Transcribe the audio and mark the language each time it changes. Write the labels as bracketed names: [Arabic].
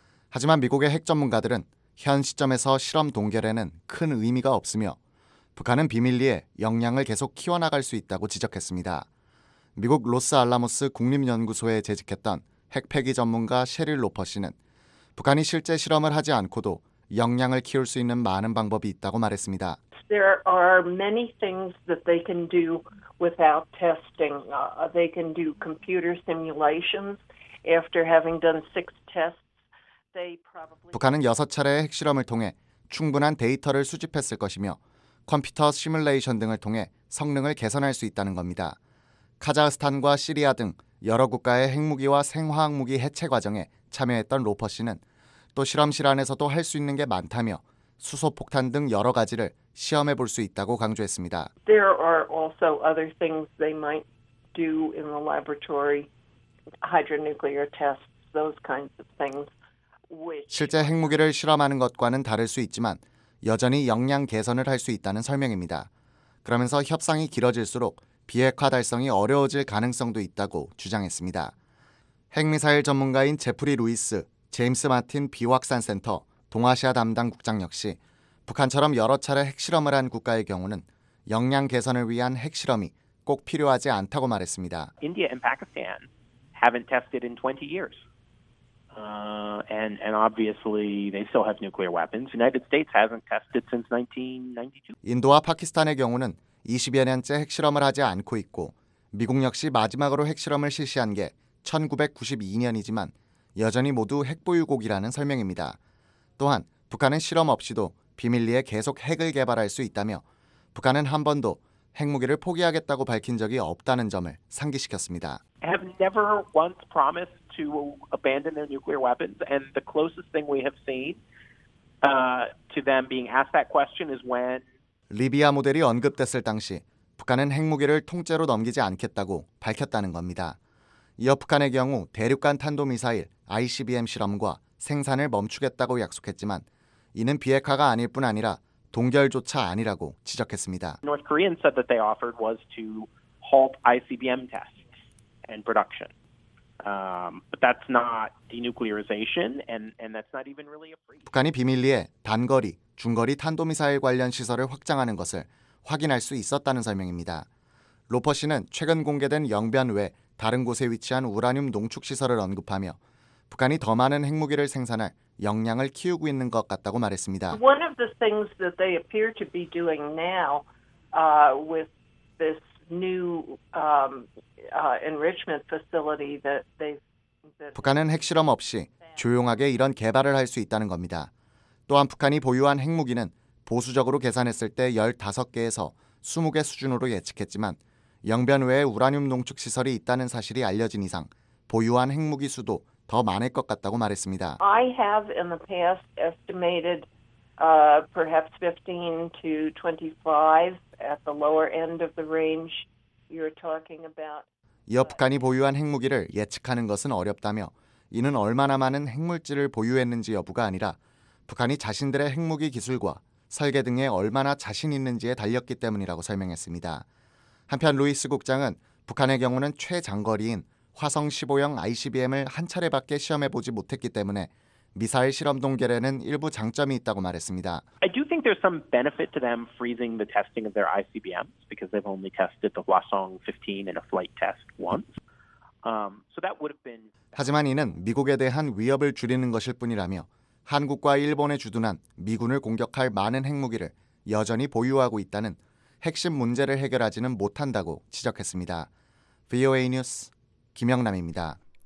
[Korean] 하지만 미국의 핵 전문가들은 현 시점에서 실험 동결에는 큰 의미가 없으며 북한은 비밀리에 역량을 계속 키워나갈 수 있다고 지적했습니다. 미국 로스 알라모스 국립연구소에 재직했던 핵폐기 전문가 셰릴 로퍼 씨는 북한이 실제 실험을 하지 않고도 역량을 키울 수 있는 많은 방법이 있다고 말했습니다. [English] There are many things that they can do without testing. They can do computer simulations after having done six tests. They probably [Korean] 북한은 6차례의 핵실험을 통해 충분한 데이터를 수집했을 것이며 컴퓨터 시뮬레이션 등을 통해 성능을 개선할 수 있다는 겁니다. 카자흐스탄과 시리아 등 여러 국가의 핵무기와 생화학무기 해체 과정에 참여했던 로퍼 씨는 또 실험실 안에서도 할 수 있는 게 많다며 수소폭탄 등 여러 가지를 시험해 볼 수 있다고 강조했습니다. [English] There are also other things they might do in the laboratory, hydronuclear tests, those kinds of things. [Korean] 실제 핵무기를 실험하는 것과는 다를 수 있지만 여전히 역량 개선을 할 수 있다는 설명입니다. 그러면서 협상이 길어질수록 비핵화 달성이 어려워질 가능성도 있다고 주장했습니다. 핵미사일 전문가인 제프리 루이스, 제임스 마틴 비확산 센터 동아시아 담당 국장 역시 북한처럼 여러 차례 핵실험을 한 국가의 경우는 역량 개선을 위한 핵실험이 꼭 필요하지 않다고 말했습니다. [English] India and Pakistan haven't tested in 20 years. And obviously they still have nuclear weapons. United States hasn't tested since 1992. [Korean] 인도와 파키스탄의 경우는 20여 년째 핵실험을 하지 않고 있고 미국 역시 마지막으로 핵실험을 실시한 게 1992년이지만 여전히 모두 핵보유국이라는 설명입니다. 또한 북한은 실험 없이도 비밀리에 계속 핵을 개발할 수 있다며 북한은 한 번도 핵무기를 포기하겠다고 밝힌 적이 없다는 점을 상기시켰습니다. [English] I have never once promised to abandon their nuclear weapons and the closest thing we have seen to them being asked that question is when [Korean] 리비아 모델이 언급됐을 당시 북한은 핵무기를 통째로 넘기지 않겠다고 밝혔다는 겁니다. 이어 북한의 경우 대륙간 탄도미사일 ICBM 실험과 생산을 멈추겠다고 약속했지만 이는 비핵화가 아닐 뿐 아니라 동결조차 아니라고 지적했습니다. [English] North Koreans said that they offered was to halt ICBM tests and production. But that's not denuclearization and that's not even really a free. [Korean] 북한이 비밀리에 단거리, 중거리 탄도미사일 관련 시설을 확장하는 것을 확인할 수 있었다는 설명입니다. 로퍼 씨는 최근 공개된 영변 외 다른 곳에 위치한 우라늄 농축 시설을 언급하며 북한이 더 많은 핵무기를 생산할 역량을 키우고 있는 것 같다고 말했습니다. [English] One of the things that they appear to be doing now with this new enrichment facility that they [Korean] 북한은 핵실험 없이 조용하게 이런 개발을 할 수 있다는 겁니다. 또한 북한이 보유한 핵무기는 보수적으로 계산했을 때 15개에서 20개 수준으로 예측했지만 영변 외에 우라늄 농축 시설이 있다는 사실이 알려진 이상 보유한 핵무기 수도 더 많을 것 같다고 말했습니다. [English] I have in the past estimated perhaps 15 to 25 at the lower end of the range you're talking about. [Korean] 이어 북한이 보유한 핵무기를 예측하는 것은 어렵다며 이는 얼마나 많은 핵물질을 보유했는지 여부가 아니라 북한이 자신들의 핵무기 기술과 설계 등에 얼마나 자신 있는지에 달렸기 때문이라고 설명했습니다. 한편 루이스 국장은 북한의 경우는 최장거리인 화성 15형 ICBM을 한 차례밖에 시험해보지 못했기 때문에 미사일 실험 동결에는 일부 장점이 있다고 말했습니다. [English] I do think there's some benefit to them freezing the testing of their ICBMs because they've only tested the Hwasong-15 in a flight test once. So that would have been [Korean] 하지만 이는 미국에 대한 위협을 줄이는 것일 뿐이라며 한국과 일본에 주둔한 미군을 공격할 많은 핵무기를 여전히 보유하고 있다는 핵심 문제를 해결하지는 못한다고 지적했습니다. VOA 뉴스 김영남입니다.